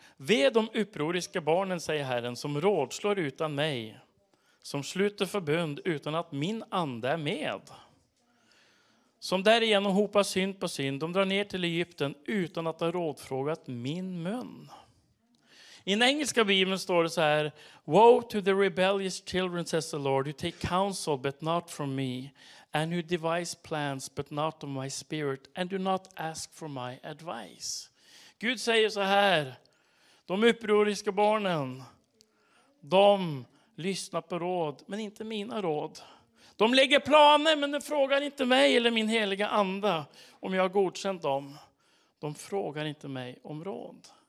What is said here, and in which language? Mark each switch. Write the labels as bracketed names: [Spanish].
[Swedish] Ve de upproriska barnen, säger Herren, som rådslår utan mig. Som sluter förbund utan att min ande är med. Som därigenom hopar synd på synd. De drar ner till Egypten utan att ha rådfrågat min mun. I den engelska bibeln står det så här. [English] Woe to the rebellious children, says the Lord, who take counsel but not from me. And who devise plans but not of my spirit. And do not ask for my advice. [Swedish] Gud säger så här. De upproriska barnen. De lyssnar på råd, men inte mina råd. De lägger planer, men de frågar inte mig eller min heliga ande om jag har godkänt dem. De frågar inte mig om råd.